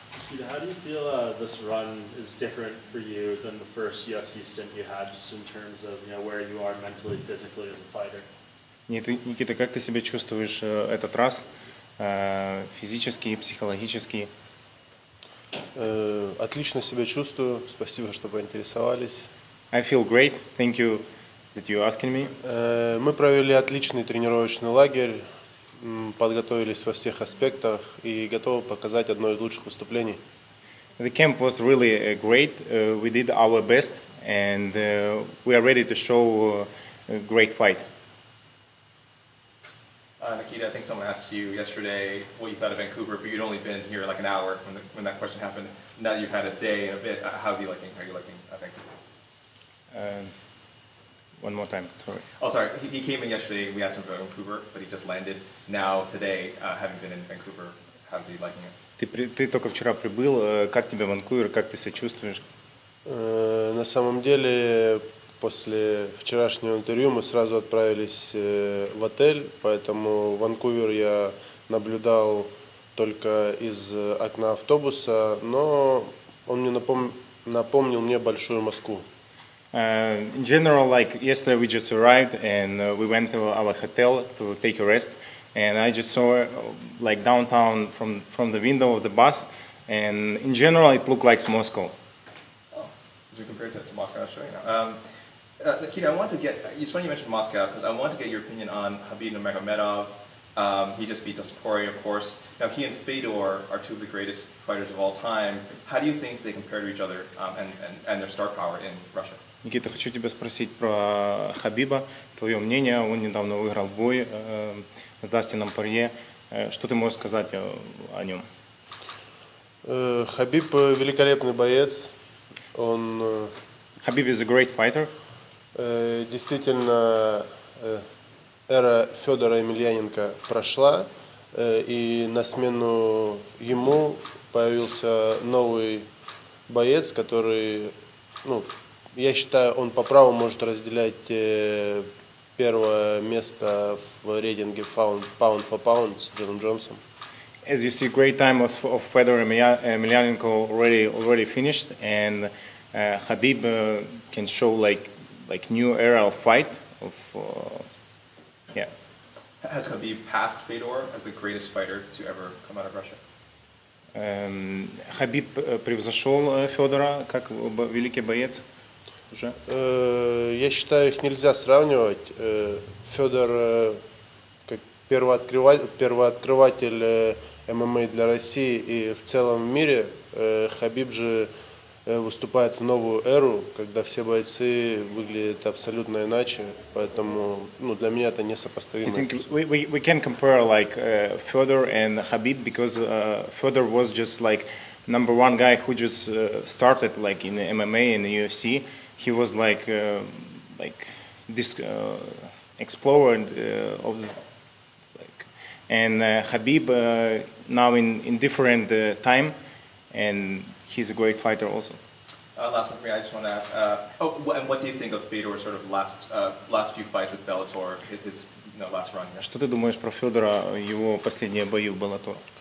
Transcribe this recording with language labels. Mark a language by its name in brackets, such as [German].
[English] Peter, how do you feel this run is different for you than the first UFC stint you had, just in terms of, you know, where you are mentally, physically as a fighter? [Russian] Никита, как ты себя чувствуешь этот раз, физически и психологически? Отлично себя чувствую. Спасибо, что поинтересовались. [English] I feel great. Thank you that you're asking me. [Russian] Мы провели отличный тренировочный лагерь, подготовились во всех аспектах и готовы показать одно из лучших выступлений. [English] The camp was really great. We did our best and we are ready to show a great fight. Nikita, I think someone asked you yesterday what you thought of Vancouver, but you'd only been here like an hour when that question happened. Now you've had a day and a bit. How's he liking? Are you liking Vancouver? One more time, sorry. Oh, sorry. He came in yesterday. We asked him about Vancouver, but he just landed. Now, today, having been in Vancouver, how's he liking it? [Russian] Ты только вчера прибыл. Как тебе Ванкувер? Как ты себя чувствуешь? На самом деле, после вчерашнего интервью мы сразу отправились в отель, поэтому Ванкувер я наблюдал только из окна автобуса, но он мне напомнил мне большую Москву. [English] In general, like yesterday we just arrived and we went to our hotel to take a rest, and I just saw like downtown from the window of the bus, and in general it looked like Moscow. Oh, you compared that to Moscow, I'll show you now. Nikita, I want to get, it's funny you mentioned Moscow, because I want to get your opinion on Khabib Nurmagomedov. He just beat Dustin, of course. Now, he and Fedor are two of the greatest fighters of all time. How do you think they compare to each other and their star power in Russia? [Russian] Никита, хочу тебя спросить про Хабиба. Твое мнение, он недавно выиграл бой с Дастином Порье. Что ты можешь сказать о нем? Хабиб великолепный боец. Он... [English] Хабиб is a great fighter. [Russian] Действительно, эра Федора Емельяненко прошла, и на смену ему появился новый боец, который, ну, я считаю, он по праву может разделять первое место в рейтинге Pound for Pound с Джоном Джонсом. [English] As you see, great time of Fedor Emelianenko already finished, and Khabib can show like new era of fight of Has Khabib passed Fedor as the greatest fighter to ever come out of Russia? [Russian] Khabib превзошел Федора как великий боец уже. Я считаю, их нельзя сравнивать. Федор как первооткрыватель ММА для России и в целом в мире. Khabib же выступает в новую эру, когда все бойцы выглядят абсолютно иначе, поэтому, ну, для меня это несопоставимо. [English] I think we can compare like Fedor and Khabib, because Fedor was just like number one guy who just started like in the MMA and the UFC. He was like this explorer of like, and Khabib now in different time, and he's a great fighter also. Last one for me, I just want to ask, and what do you think of Fedor's sort of last few fights with Bellator, his last run? [Russian] Что ты думаешь про Федора, его последние бои в Bellator?